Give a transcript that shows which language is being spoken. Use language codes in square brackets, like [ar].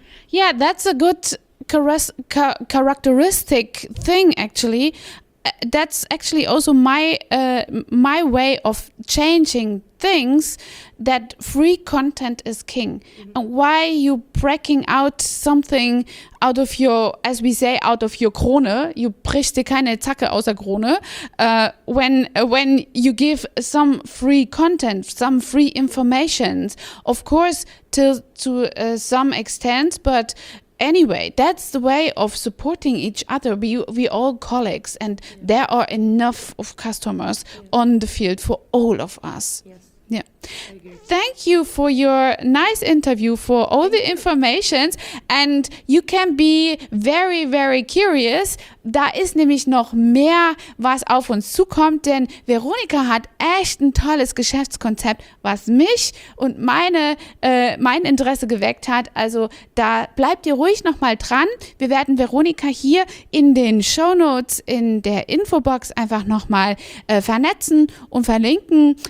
[en] Yeah, that's a good characteristic thing, actually. That's actually also my way of changing things, that free content is king. Mm-hmm. And why are you breaking out something out of your, as we say, out of your Krone? [de] You brichst dir keine Zacke aus der Krone. [en] When you give some free content, some free information, of course, to some extent, but anyway, that's the way of supporting each other. We all colleagues, and there are enough of customers on the field for all of us. Yes. Yeah. Thank you for your nice interview, for all the informations. And you can be very, very curious. [de] Da ist nämlich noch mehr, was auf uns zukommt, denn Veronika hat echt ein tolles Geschäftskonzept, was mich und mein Interesse geweckt hat. Also da bleibt ihr ruhig nochmal dran. Wir werden Veronika hier in den Shownotes, in der Infobox einfach nochmal vernetzen und verlinken.